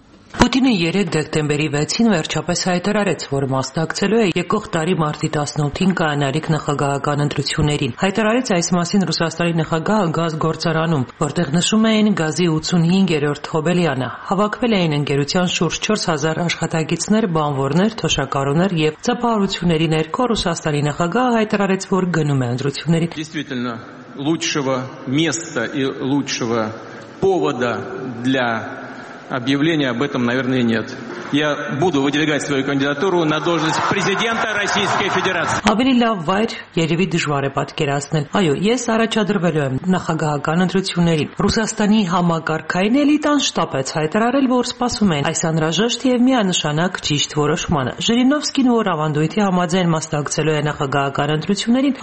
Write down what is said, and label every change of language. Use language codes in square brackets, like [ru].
[hy] Պուտինը 3 դեկտեմբերի 6-ին վերջապես հայտարարեց, որ մասնակցելու է եկող տարի մարտի 18-ին կայանալիք նախագահական ընտրություններին։ Հայտարարեց այս մասին Ռուսաստանի նախագահը գազ գործարանում, որտեղ նշում էին գազի 85-րդ հոբելյանը։ Հավաքվել էին ընկերության շուրջ 4000 աշխատակիցներ, բանվորներ, թոշակառուներ եւ ծափահարությունների ներքո Ռուսաստանի նախագահը հայտարարեց, որ գնում է ընտրություններին։ [ru] Действительно, лучшего места и лучшего повода для объявления об этом, наверное, нет. Я буду выдвигать свою кандидатуру на должность президента Российской Федерации. [hy] Ավելի լավ վայր երևի դժվար է պատկերացնել։ Այո, ես առաջադրվելու եմ նախագահական ընտրություններին։ Ռուսաստանի համակարգային էլիտան շտապեց հայտարարել, որ սպասում են այս անհրաժեշտ եւ միանշանակ ճիշտ որոշմանը։ Ժիրինովսկին, որ ավանդույթի համաձայն մասնակցելու է նախագահական ընտրություններին,